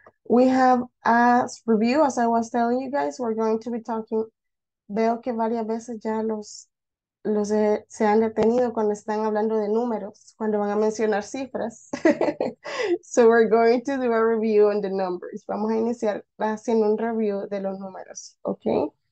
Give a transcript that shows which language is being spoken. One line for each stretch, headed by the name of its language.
English: We have a review, as I was telling you guys, we're going to be talking.
Spanish: Veo que varias veces ya los se han detenido cuando están hablando de números, cuando van a mencionar cifras.
English: So we're going to do a review on the numbers.
Spanish: Vamos a iniciar haciendo un review de los números, okay?